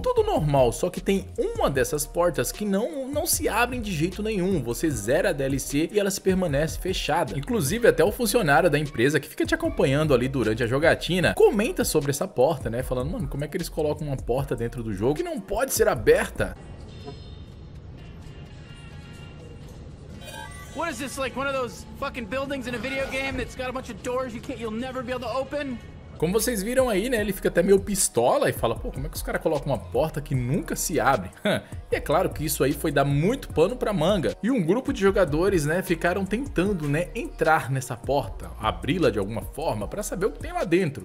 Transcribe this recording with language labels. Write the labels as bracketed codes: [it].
[pt] Tudo normal, só que tem uma dessas portas que não se abrem de jeito nenhum. Você zera a DLC e ela se permanece fechada. Inclusive, até o funcionário da empresa que fica te acompanhando ali durante a jogatina comenta sobre essa porta, né? Falando, mano, como é que eles colocam uma porta dentro do jogo que não pode ser aberta? [en] What is this, like one of those fucking buildings in a video game that's got a bunch of doors you'll never be able to open? [pt] Como vocês viram aí, né, ele fica até meio pistola e fala, pô, como é que os caras colocam uma porta que nunca se abre? E é claro que isso aí foi dar muito pano pra manga. E um grupo de jogadores, né, ficaram tentando, né, entrar nessa porta, abri-la de alguma forma pra saber o que tem lá dentro.